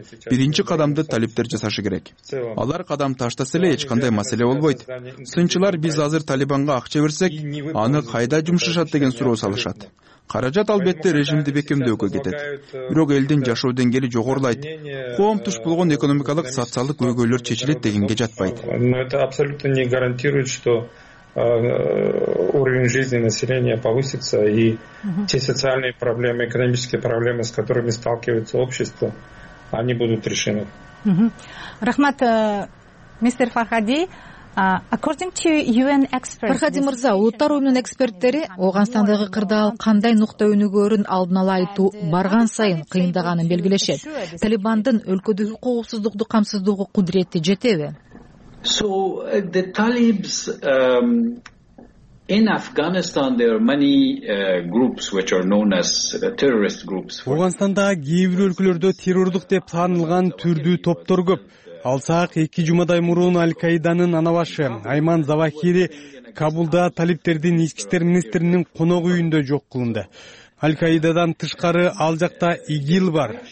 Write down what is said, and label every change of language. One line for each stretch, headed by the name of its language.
Kyrgyz: Биринчи кадамды талиптер жасашы керек. Алар кадам таштаса эле эч кандай маселе болбойт. Сынчылар, биз азыр талибанга акча берсек, аны кайда жумшашат деген суроо салышат. Каражат албетте режимди бекемдөөгө кетет. Бирок элдин жашоо деңгээли жогорулайт. Коом туш болгон экономикалык, социалдык көйгөйлөр чечилет дегенге жатпайт.
Russian: Но это абсолютно не гарантирует, что уровень жизни населения повысится и те социальные проблемы, экономические проблемы, с которыми сталкивается общество, они будут решены.
Kyrgyz: Рахмат, мистер Фархади.
English: According to UN experts,
Kyrgyz: Фархади мырза, улуттар уюмунун эксперттери Ооганстандагы кырдаал кандай нукта өнүгөрүн алдын ала айтуу барган сайын кыйындаганын белгилешет. Талибандын өлкөдөгү коопсуздукту камсыздоого кудурети жетеби?
English: So the Talibs in Afghanistan there are many groups which are known as terrorist groups.
Kyrgyz: Ооганстанда кээ бир өлкөлөрдө террордук деп таанылган түрдүү топтор көп. Алсак, эки жумадай мурун Аль-Каиданын анабашы Айман Завахири Кабулда талиптердин ички иштер министринин конок үйүндө жок кылынды. Аль-Каидадан тышкары ал жакта ИГИЛ бар.